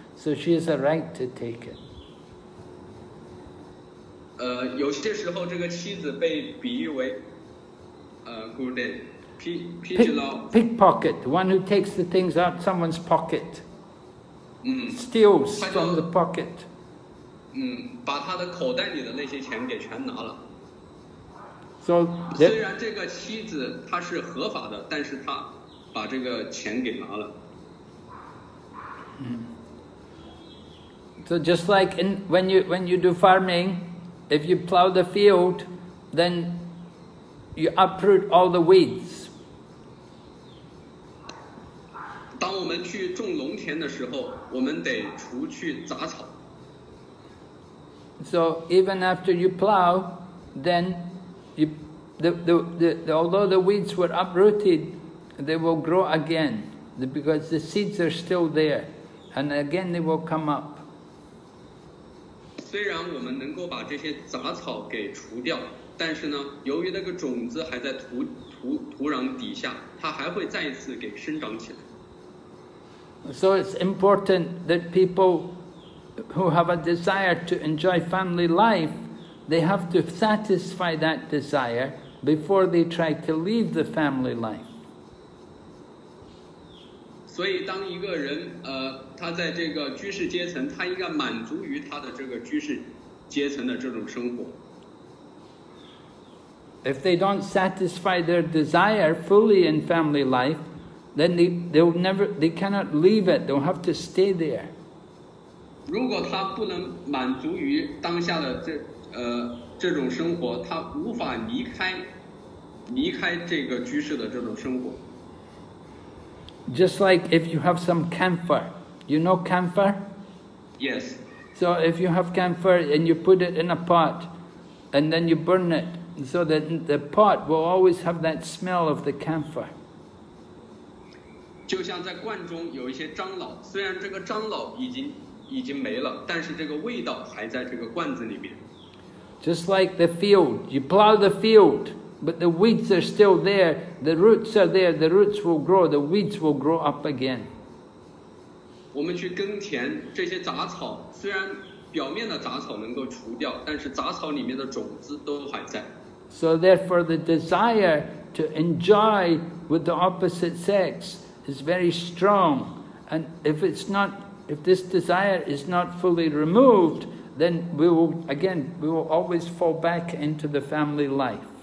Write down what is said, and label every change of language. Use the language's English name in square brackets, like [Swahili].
[English] So she has a right to take it. [Chinese] 有些时候这个妻子被比喻为古代 [English] pickpocket, one who takes the things out someone's pocket, steals from the pocket. [Chinese] 把他的口袋里的那些钱给全拿了。 [English] So, [Chinese] 虽然这个妻子她是合法的，但是她把这个钱给拿了。 [English] So just like in, when you do farming, if you plow the field, then you uproot all the weeds. [Chinese] 当我们去种农田的时候，我们得除去杂草。 [English] So even after you plow, then you, the although the weeds were uprooted, they will grow again because the seeds are still there, and again they will come up. [Chinese] 虽然我们能够把这些杂草给除掉，但是呢，由于那个种子还在土壤底下，它还会再一次给生长起来。 [English] So it's important that people who have a desire to enjoy family life, they have to satisfy that desire before they try to leave the family life. [Chinese] 所以当一个人他在这个居士阶层，他应该满足于他的这个居士阶层的这种生活。 [English] If they don't satisfy their desire fully in family life, then they cannot leave it. They'll have to stay there. [Chinese] 如果他不能满足于当下的这种生活，他无法离开这个居士的这种生活。 [English] Just like if you have some camphor, you know camphor? Yes. So if you have camphor and you put it in a pot and then you burn it, so that the pot will always have that smell of the camphor. [Chinese] 就像在罐中有一些樟脑，虽然这个樟脑已经没了，但是这个味道还在这个罐子里面。 [English] Just like the field, you plow the field, but the weeds are still there, the roots are there, the roots will grow, the weeds will grow up again. [Chinese] 我们去耕田，这些杂草，虽然表面的杂草能够除掉，但是杂草里面的种子都还在。 [English] So therefore the desire to enjoy with the opposite sex is very strong, and if it's not, if this desire is not fully removed, then we will always fall back into the family life.